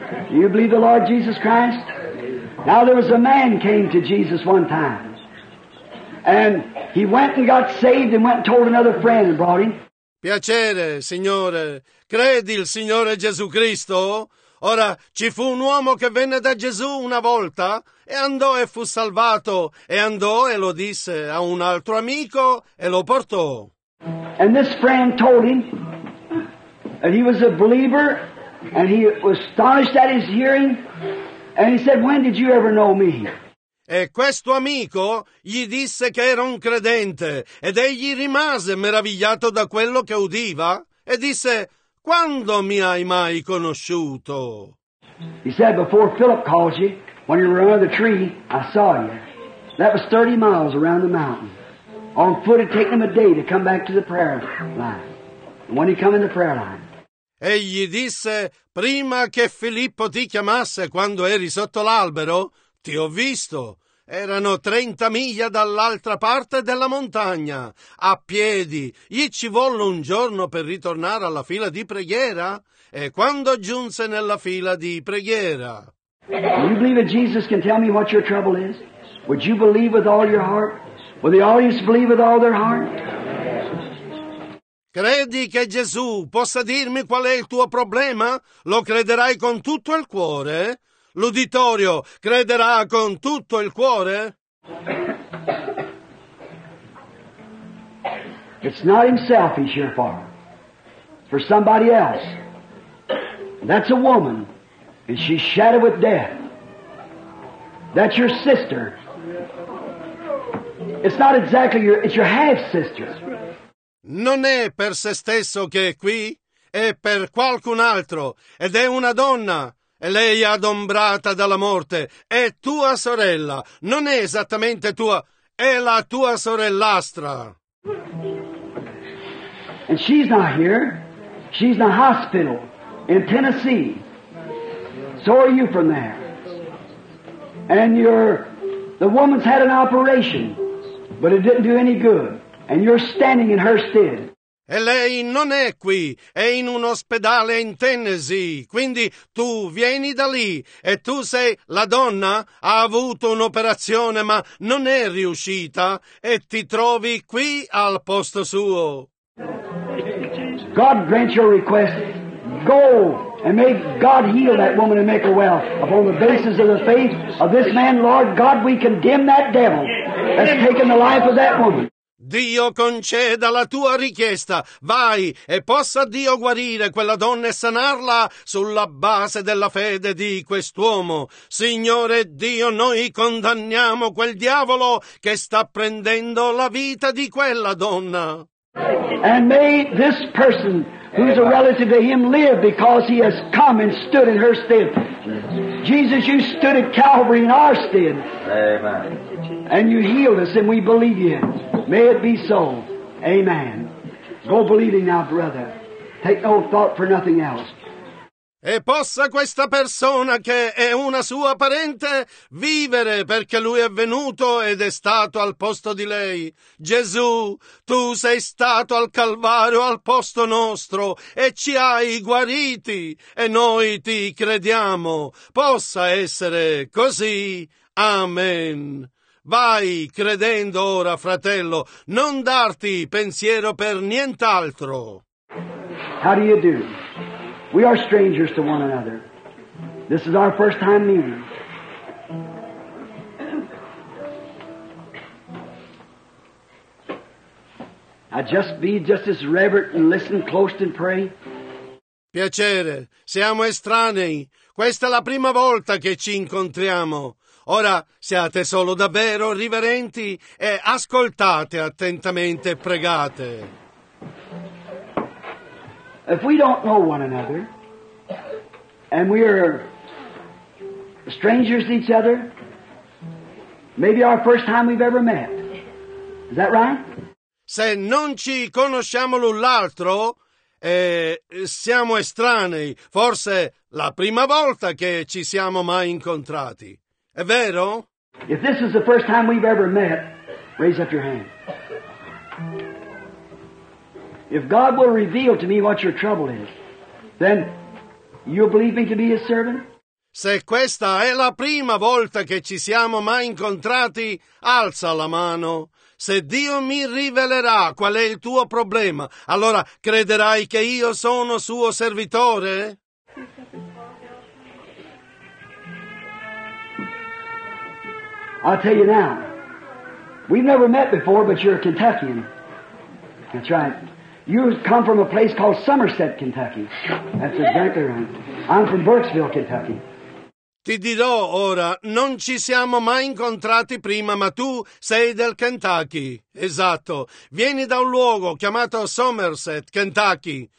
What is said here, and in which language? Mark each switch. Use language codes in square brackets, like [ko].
[en] Do you believe the Lord Jesus Christ? Now there was a man came to Jesus one time. And he went and got saved and went and told another friend and brought him. [it] Piacere, signore. Credi il Signore Gesù Cristo? Ora, ci fu un uomo che venne da Gesù una volta e andò e fu salvato e andò e lo disse a un altro amico e lo portò. [en] And this friend told him, that he was a believer, and he was astonished at his hearing, and he said, "When did you ever know me?" [it] E questo amico gli disse che era un credente, ed egli rimase meravigliato da quello che udiva, e disse, "Quando mi hai mai conosciuto?" [en] He said, "Before Philip called you, when you were under the tree, I saw you. That was 30 miles around the mountain. On foot it took him a day to come back to the prayer line. And when he come in the prayer line." [it] Egli disse, "Prima che Filippo ti chiamasse, quando eri sotto l'albero, ti ho visto. Erano 30 miglia dall'altra parte della montagna, a piedi. Gli ci volle un giorno per ritornare alla fila di preghiera. E quando giunse nella fila di preghiera." [en] Do you believe that Jesus can tell me what your trouble is? Would you believe with all your heart? Would the audience believe with all their heart? [it] Credi che Gesù possa dirmi qual è il tuo problema? Lo crederai con tutto il cuore? L'uditorio crederà con tutto il cuore? [en] It's not himself he's here for. For somebody else. That's a woman. And she's shadowed with death. That's your sister. It's not exactly your, it's your half-sister. [it] Non è per se stesso che è qui, è per qualcun altro, ed è una donna, e lei è adombrata dalla morte, è tua sorella, non è esattamente tua, è la tua sorellastra. [en] And she's not here, she's in a hospital in Tennessee. So are you from there. And the woman's had an operation, but it didn't do any good. And you're standing in her stead. [it] E lei non è qui, è in un ospedale in Tennessee. Quindi tu vieni da lì e tu sei la donna, ha avuto un'operazione ma non è riuscita e ti trovi qui al posto suo. [en] God grant your request. Go and may God heal that woman and make her well. Upon the basis of the faith of this man, Lord God, we condemn that devil that's taken the life of that woman. [it] Dio conceda la tua richiesta. Vai e possa Dio guarire quella donna e sanarla sulla base della fede di quest'uomo. Signore Dio, noi condanniamo quel diavolo che sta prendendo la vita di quella donna. [en] And may this person who's a relative to him live because he has come and stood in her stead. Jesus, you stood at Calvary in our stead. Amen. And you healed us and we believe you. May it be so. Amen. Go believing now, brother. Take no thought for nothing else. [it] E possa questa persona che è una sua parente vivere perché lui è venuto ed è stato al posto di lei. Gesù, tu sei stato al Calvario al posto nostro e ci hai guariti e noi ti crediamo. Possa essere così. Amen. Vai credendo ora, fratello, non darti pensiero per nient'altro. [en] How do you do? We are strangers to one another. This is our first time meeting. I just be just as reverent and listen close and pray. [it] Piacere, siamo estranei. Questa è la prima volta che ci incontriamo. Ora siate solo davvero riverenti e ascoltate attentamente e pregate. [en] If we don't know one another, and we are strangers to each other, maybe our first time we've ever met. Is that right? [it] Se non ci conosciamo l'un l'altro, siamo estranei, forse la prima volta che ci siamo mai incontrati. È vero? [en] If this is the first time we've ever met, raise up your hand. If God will reveal to me what your trouble is, then you believe me to be his servant? [it] Se questa è la prima volta che ci siamo mai incontrati, alza la mano. Se Dio mi rivelerà qual è il tuo problema, allora crederai che io sono suo servitore? [en] I'll tell you now. We've never met before, but you're a Kentuckian. That's right. You come from a place called Somerset, Kentucky. That's exactly right. I'm from Burkesville, Kentucky. [it] Ti dirò ora, non ci siamo mai incontrati prima, ma tu sei del Kentucky. Esatto. Vieni da un luogo chiamato Somerset, Kentucky.